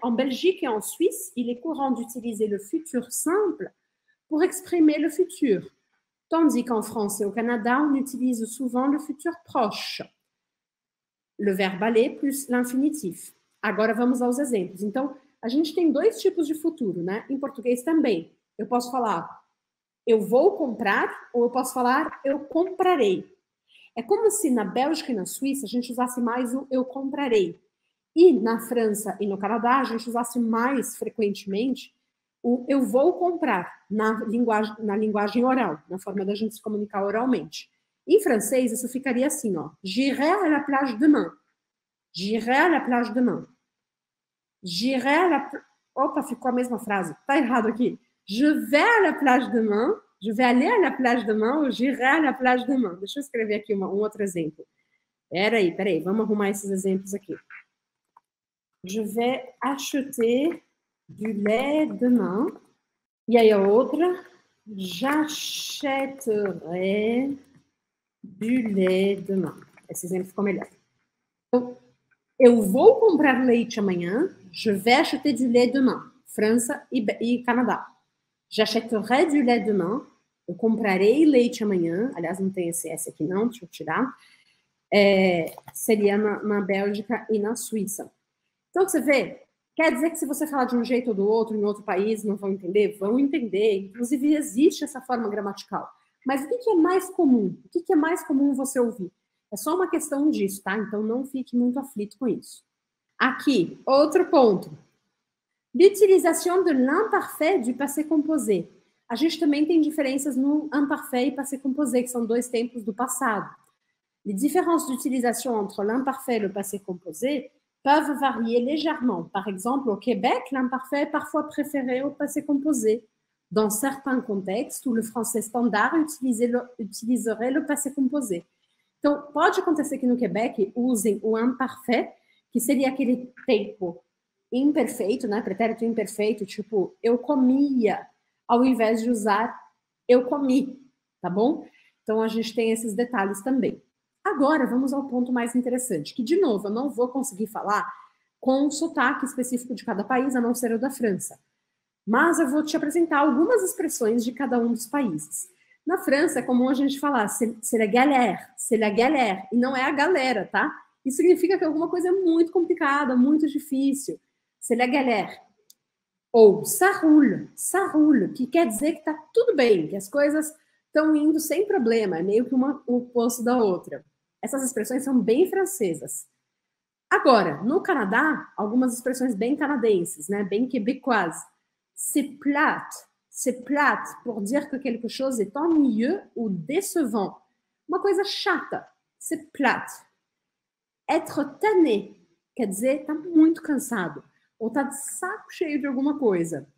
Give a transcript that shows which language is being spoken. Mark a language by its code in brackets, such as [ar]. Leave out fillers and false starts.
[fr] En Belgique et en Suisse, il est courant d'utiliser le futur simple pour exprimer le futur. Tandis qu'en France et au Canada, on utilise souvent le futur proche. Le verbe aller plus l'infinitif. [pt] Agora vamos aos exemplos. Então, a gente tem dois tipos de futuro, né? Em português também. Eu posso falar eu vou comprar ou eu posso falar eu comprarei. É como se na Bélgica e na Suíça a gente usasse mais o eu comprarei. E na França e no Canadá a gente usasse mais frequentemente o eu vou comprar na linguagem oral, na forma da gente se comunicar oralmente. Em francês isso ficaria assim, ó. [fr] J'irai à la plage demain. J'irai à la plage demain. J'irai à la... [pt] Opa, ficou a mesma frase. Tá errado aqui. [fr] Je vais à la plage demain. Je vais aller à la plage demain ou j'irai à la plage demain. [pt] Deixa eu escrever aqui um outro exemplo. Peraí. Vamos arrumar esses exemplos aqui. [fr] Je vais acheter du lait demain. [pt] E aí a outra. [fr] J'achèterai du lait demain. [pt] Esse exemplo ficou melhor. Eu vou comprar leite amanhã. [fr] Je vais acheter du lait demain. [pt] França e Canadá. [fr] J'achèterai du lait demain. [pt] Eu comprarei leite amanhã. Aliás, não tem esse S aqui não, deixa eu tirar. Seria na Bélgica e na Suíça. Então, você vê, quer dizer que se você falar de um jeito ou do outro em outro país, não vão entender? Vão entender. Inclusive, existe essa forma gramatical. Mas o que é mais comum? O que é mais comum você ouvir? É só uma questão disso, tá? Então, não fique muito aflito com isso. Aqui, outro ponto. [fr] L'utilisation de l'imparfait du passé composé. [pt] A gente também tem diferenças no imparfait e passé composé, que são dois tempos do passado. [fr] Les différences d'utilisation entre l'imparfait et le passé composé peuvent varier légèrement. Par exemple, au Québec, l'imparfait est parfois préféré au passé composé. Dans certains contextes où le français standard utiliserait le passé composé. [pt] Então, pode acontecer que no Quebec usem o imparfait, que seria aquele tempo imperfeito, né? Pretérito imperfeito, tipo, eu comia, ao invés de usar eu comi, tá bom? Então, a gente tem esses detalhes também. Agora, vamos ao ponto mais interessante, que, de novo, eu não vou conseguir falar com o sotaque específico de cada país, a não ser o da França. Mas eu vou te apresentar algumas expressões de cada um dos países. Na França, é comum a gente falar [fr] c'est la galère, [pt] e não é a galera, tá? Isso significa que alguma coisa é muito complicada, muito difícil. [fr] C'est la galère. [pt] Ou [fr] ça roule, [pt] que quer dizer que tá tudo bem, que as coisas estão indo sem problema, é meio que uma, o oposto da outra. Essas expressões são bem francesas. Agora, no Canadá, algumas expressões bem canadenses, né? Bem québécois. [fr] C'est plate, pour dire que quelque chose est ennuyeux ou décevant. [pt] Uma coisa chata, [fr] c'est plate. Être tanné, [pt] quer dizer, tá muito cansado, ou tá de saco cheio de alguma coisa.